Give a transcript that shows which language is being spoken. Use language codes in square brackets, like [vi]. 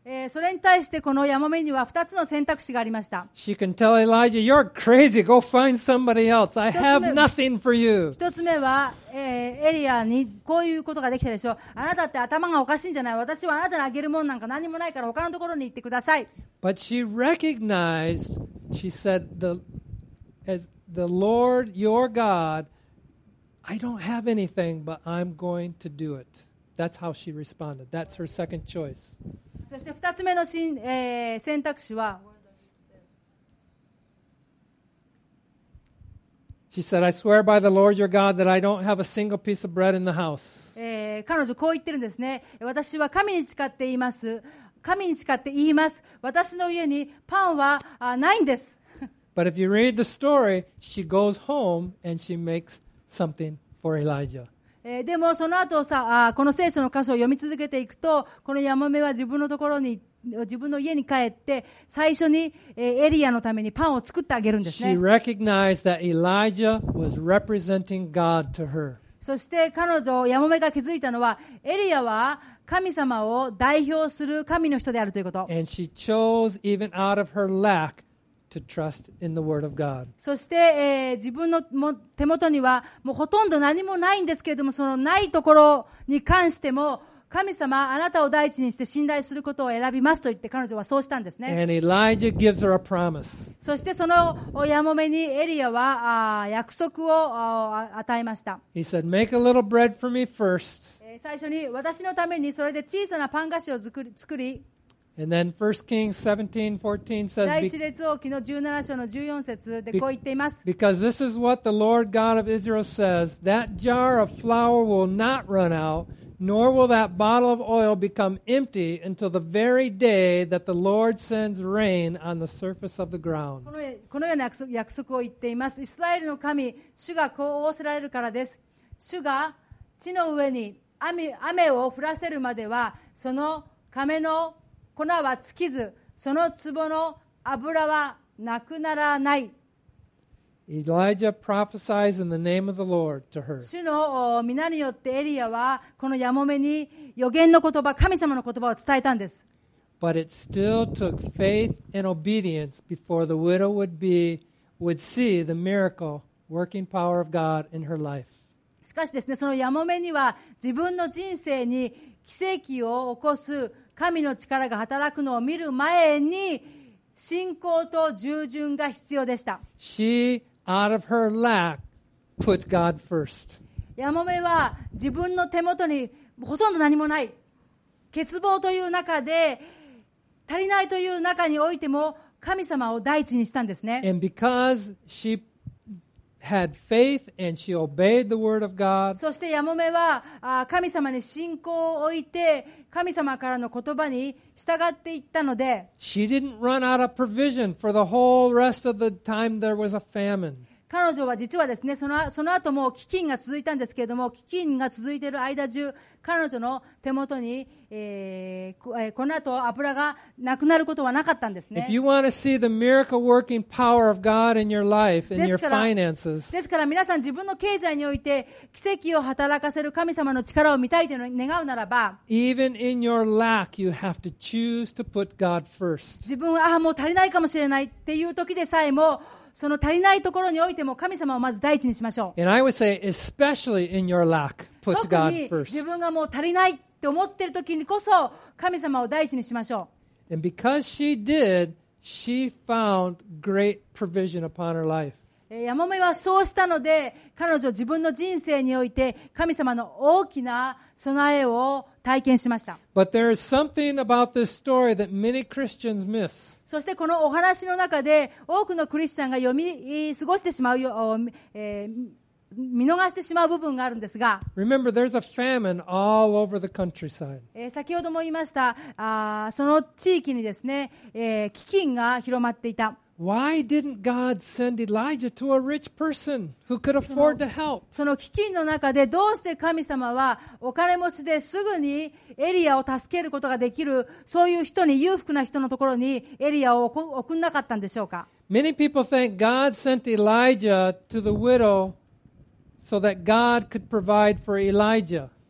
[ja] それに対してこのヤマメには2つの選択肢がありました。 [en] She can tell Elijah, you're crazy, go find somebody else. I have nothing for you. [ja] 一つ目は、エリアにこういうことができたでしょう。あなたって頭がおかしいんじゃない。私はあなたにあげるものなんか何もないから他のところに行ってください。 [en] But she recognized, she said, as the Lord your God, I don't have anything, but I'm going to do it. That's how she responded. That's her second choice. [ja] そして二つ目の選択肢は、 [en] She said, I swear by the Lord your God that I don't have a single piece of bread in the house. [ja] 彼女こう言ってるんですね。私は神に誓って言います。神に誓って言います。私の家にパンはないんです。 [en] But if you read the story, she goes home and she makes something for Elijah. [ja] でもその後さあこの聖書の箇所を読み続けていくとこのヤマメは自分のところに自分の家に帰って最初に、エリアのためにパンを作ってあげるんですね。 [en] She recognized that Elijah was representing God to her. [ja] そして彼女ヤマメが気づいたのはエリアは神様を代表する神の人であるということ。 [en] And she chose even out of her lack. To trust in the word of God. [ja] そして、自分の手元にはもうほとんど何もないんですけれどもそのないところに関しても神様あなたを第一にして信頼することを選びますと言って彼女はそうしたんですね。 [en] And Elijah gives her a promise. [ja] そしてそのヤモメにエリアは約束を与えました。 [en] He said, make a little bread for me first. [ja] 最初に私のためにそれで小さなパン菓子を作り、 [en] And then 1 Kings 17:14 says, [ja] 第一列王記の17章の14節でこう言っています。 [en] Because this is what the Lord God of Israel says, that jar of flour will not run out, nor will that bottle of oil become empty until the very day that the Lord sends rain on the surface of the ground. [ja] このような約束を言っています。イスラエルの神、主がこう仰せられるからです。主が地の上に雨を降らせるまでは、その亀の粉は尽きず、その壺の油はなくならない。 [en] Elijah prophesies in the name of the Lord to her. [ja] 主の御名によってエリアはこのヤモメに予言の言葉、神様の言葉を伝えたんです。 [en] But it still took faith and obedience before the widow would see the miracle working power of God in her life. [ja] しかしですね、そのヤモメには自分の人生に奇跡を起こす神の力が働くのを見る前に信仰と従順が必要でした。 [en] She, out of her lack, put God first. [ja] ヤモメは自分の手元にほとんど何もない欠乏という中で足りないという中においても神様を第一にしたんですね。 [en] And because she had faith and she obeyed the word of God. [ja] そしてヤモメは神様に信仰を置いて神様からの言葉に従っていったので、 [en] She didn't run out of provision for the whole rest of the time there was a famine. [ja] 彼女は実はですね、その後も飢饉が続いたんですけれども、飢饉が続いている間中、彼女の手元に、この後油がなくなることはなかったんですね。 [en] If you want to see the miracle working power of God in your life and your finances, [ja] ですから皆さん自分の経済において奇跡を働かせる神様の力を見たいと願うならば、 [en] Even in your lack, you have to choose to put God first. [ja] 自分はもう足りないかもしれないっていう時でさえも、その足りないところにおいても神様をまず第一にしましょう。 [en] And I would say, especially in your lack, put God first. [ja] 特に自分がもう足りないって思ってる時にこそ神様を第一にしましょう。 [en] And because she did, she found great provision upon her life. [ja] ヤモメはそうしたので彼女自分の人生において神様の大きな備えを体験しました。 [en] But there is something about this story that many Christians miss. [ja] そしてこのお話の中で多くのクリスチャンが読み過ごしてしまう、見逃してしまう部分があるんですが、 [en] Remember, there's a famine all over the countryside. [ja] 先ほども言いました、その地域にですね、飢饉が広まっていた。 [en] Why didn't God send Elijah to a rich person who could afford to help? [ja] その飢饉の中でどうして神様はお金持ちですぐにエリアを助けることができるそういう人に裕福な人のところにエリアを送んなかったんでしょうか? [en] Many people think God sent Elijah to the widow so that God could provide for Elijah.